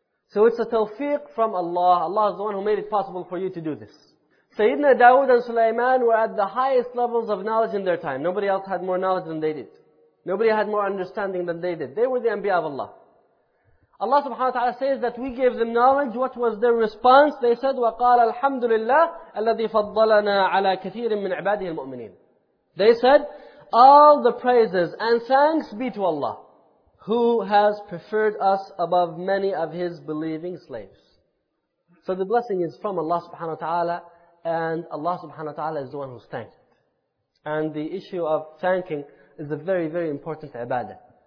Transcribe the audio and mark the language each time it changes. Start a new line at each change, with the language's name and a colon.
English: So it's a tawfiq from Allah. Allah is the one who made it possible for you to do this. Sayyidina Dawood and Sulaiman were at the highest levels of knowledge in their time. Nobody else had more knowledge than they did. Nobody had more understanding than they did. They were the Anbiya of Allah. Allah subhanahu wa ta'ala says that we gave them knowledge. What was their response? They said,
Arabic: وَقَالَ الْحَمْدُ لِلَّهِ الَّذِي فَضَّلَنَا عَلَىٰ كَثِيرٍ مِّنْ عِبَادِهِ الْمُؤْمِنِينَ.
English: They said, all the praises and thanks be to Allah, who has preferred us above many of His believing slaves. So the blessing is from Allah subhanahu wa ta'ala, and Allah subhanahu wa ta'ala is the one who's thanked. And the issue of thanking is a very, very important ibadah.